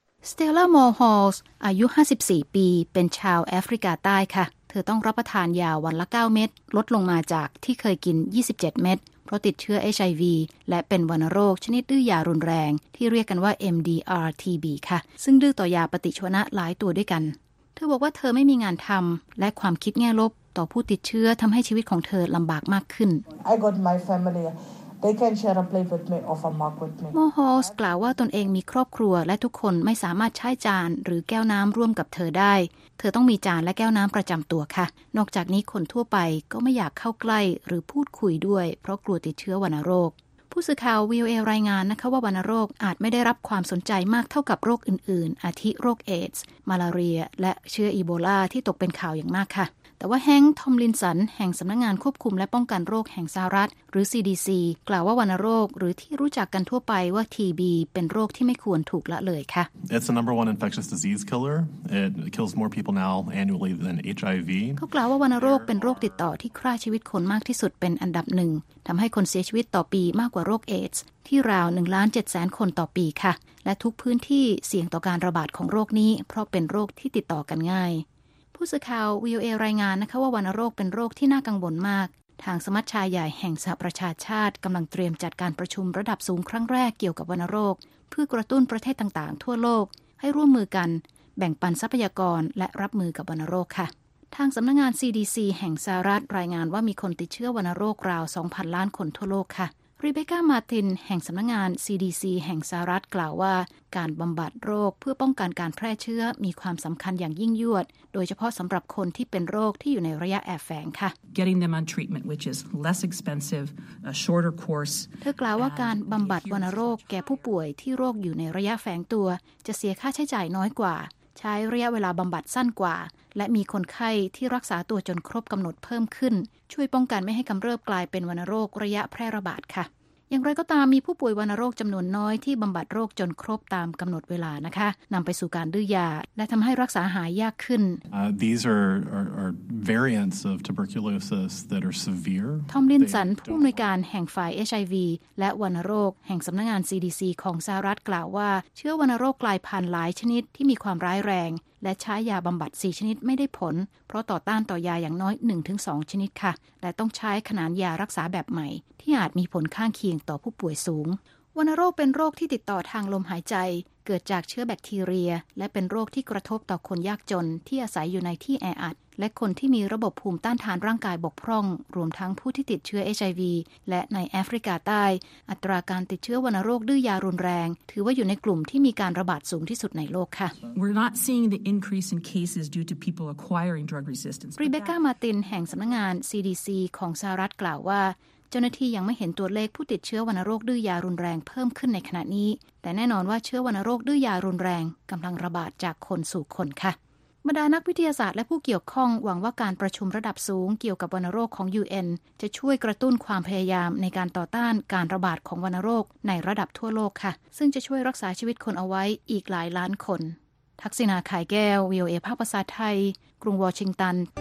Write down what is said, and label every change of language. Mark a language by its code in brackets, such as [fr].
[th] สเตลล่ามอร์ฮอลส์อายุ54ปีเป็นชาวแอฟริกาใต้ค่ะเธอต้องรับประทานยาวันละ9เม็ดลดลงมาจากที่เคยกิน27เม็ดเพราะติดเชื้อ HIV และเป็นวัณโรคชนิดดื้อยารุนแรงที่เรียกกันว่า MDR-TB ค่ะซึ่งดื้อต่อยาปฏิชีวนะหลายตัวด้วยกันเธอบอกว่าเธอไม่มีงานทำและความคิดแง่ลบต่อผู้ติดเชื้อทำให้ชีวิตของเธอลำบากมากขึ้น [en] I got my familyThey can share a plate with me or a mug with me. [th] Mohos กล่าวว่าตนเองมีครอบครัวและทุกคนไม่สามารถใช้จานหรือแก้วน้ำร่วมกับเธอได้เธอต้องมีจานและแก้วน้ำประจำตัวค่ะนอกจากนี้คนทั่วไปก็ไม่อยากเข้าใกล้หรือพูดคุยด้วยเพราะกลัวติดเชื้อวัณโรค ผู้สื่อข่าว VOA รายงานนะคะว่าวัณโรคอาจไม่ได้รับความสนใจมากเท่ากับโรคอื่นๆอาทิโรคเอดส์มาลาเรียและเชื้ออีโบลาที่ตกเป็นข่าวอย่างมากค่ะแต่ว่าแฮงค์ทอมลินสันแห่งสำนักงานควบคุมและป้องกันโรคแห่งสหรัฐหรือ CDC กล่าวว่าวัณโรคหรือที่รู้จักกันทั่วไปว่า TB เป็นโรคที่ไม่ควรถูกละเลยค่ะ [en] It's the number one infectious disease killer. It kills more people now annually than HIV. [th] เขากล่าวว่าวัณโรคเป็นโรคติดต่อที่ฆ่าชีวิตคนมากที่สุดเป็นอันดับหนึ่งทำให้คนเสียชีวิตต่อปีมากกว่าโรคเอดส์ที่ราว 1,700,000 คนต่อปีค่ะและทุกพื้นที่เสี่ยงต่อการระบาดของโรคนี้เพราะเป็นโรคที่ติดต่อกันง่าย ผู้สื่อข่าว VOA รายงานนะคะว่าวัณโรคเป็นโรคที่น่ากังวลมากทางสมัชชาใหญ่แห่งสหประชาชาติกำลังเตรียมจัดการประชุมระดับสูงครั้งแรกเกี่ยวกับวัณโรคเพื่อกระตุ้นประเทศต่างๆทั่วโลกให้ร่วมมือกันแบ่งปันทรัพยากรและรับมือกับวัณโรคค่ะ ทางสำนักงาน CDC แห่งสหรัฐรายงานว่ามีคนติดเชื้อวัณโรคราว 2,000 ล้านคนทั่วโลกค่ะรีเบคก้ามาร์ตินแห่งสำนักงาน CDC แห่งสหรัฐกล่าวว่าการบำบัดโรคเพื่อป้องกันการแพร่เชื้อมีความสำคัญอย่างยิ่งยวดโดยเฉพาะสำหรับคนที่เป็นโรคที่อยู่ในระยะแอบแฝงค่ะ [en] Getting them on treatment which is less expensive a shorter course [th] เธอกล่าวว่าการบำบัดวัณโรคแก่ผู้ป่วยที่โรคอยู่ในระยะแฝงตัวจะเสียค่าใช้จ่ายน้อยกว่าใช้ระยะเวลาบำบัดสั้นกว่าและมีคนไข้ที่รักษาตัวจนครบกำหนดเพิ่มขึ้นช่วยป้องกันไม่ให้กำเริบกลายเป็นวัณโรคระยะแพร่ระบาดค่ะอย่างไรก็ตามมีผู้ป่วยวัณโรคจำนวนน้อยที่บำบัดโรคจนครบตามกำหนดเวลานะคะนำไปสู่การดื้อยาและทำให้รักษาหายยากขึ้น [en] These are variants of tuberculosis that are severe [th] ทอมลินสันผู้อำนวยการแห่งฝ่าย HIV และวัณโรคแห่งสำนักงาน CDC ของสหรัฐกล่าวว่าเชื้อวัณโรคกลายพันธุ์หลายชนิดที่มีความร้ายแรงและใช้ยาบำบัด4ชนิดไม่ได้ผลเพราะต่อต้านต่อยาอย่างน้อย 1-2 ชนิดค่ะและต้องใช้ขนานยารักษาแบบใหม่ที่อาจมีผลข้างเคียงต่อผู้ป่วยสูงวัณโรคเป็นโรคที่ติดต่อทางลมหายใจ เกิดจากเชื้อแบคทีเรียและเป็นโรคที่กระทบต่อคนยากจนที่อาศัยอยู่ในที่แออัดและคนที่มีระบบภูมิต้านทานร่างกายบกพร่องรวมทั้งผู้ที่ติดเชื้อ HIV และในแอฟริกาใต้อัตราการติดเชื้อวัณโรคดื้อยารุนแรงถือว่าอยู่ในกลุ่มที่มีการระบาดสูงที่สุดในโลกค่ะ [en] We're not seeing the increase in cases due to people acquiring drug resistance [th] รีเบคก้ามาร์ตินแห่งสำนักงาน CDC ของสหรัฐกล่าวว่าเจ้าหน้าที่ยังไม่เห็นตัวเลขผู้ติดเชื้อวัณโรคดื้อยารุนแรงเพิ่มขึ้นในขณะนี้แต่แน่นอนว่าเชื้อวัณโรคดื้อยารุนแรงกำลังระบาดจากคนสู่คนค่ะ บรรดานักวิทยาศาสตร์และผู้เกี่ยวข้องหวังว่าการประชุมระดับสูงเกี่ยวกับวัณโรคของ UN จะช่วยกระตุ้นความพยายามในการต่อต้านการระบาดของวัณโรคในระดับทั่วโลกค่ะซึ่งจะช่วยรักษาชีวิตคนเอาไว้อีกหลายล้านคนทักษิณาขายแก้ว VOA ภาคภาษาไทยกรุงวอชิงตัน